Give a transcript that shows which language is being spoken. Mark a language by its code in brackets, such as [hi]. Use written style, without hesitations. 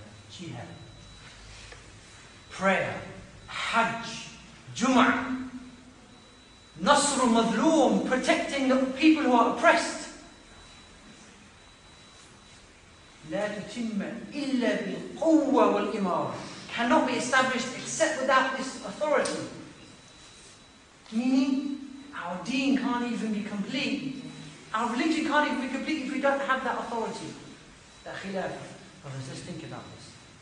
[en] Jihad, prayer, Hajj, Jum'ah, Nasr al-Mazloom, protecting the people who are oppressed. [ar] لا تتم إلا بالقوة والإمارة. [en] Cannot be established except without this authority. Meaning, our deen can't even be complete. Our religion can't even be complete if we don't have that authority. That khilafah. Brothers, let's think about this.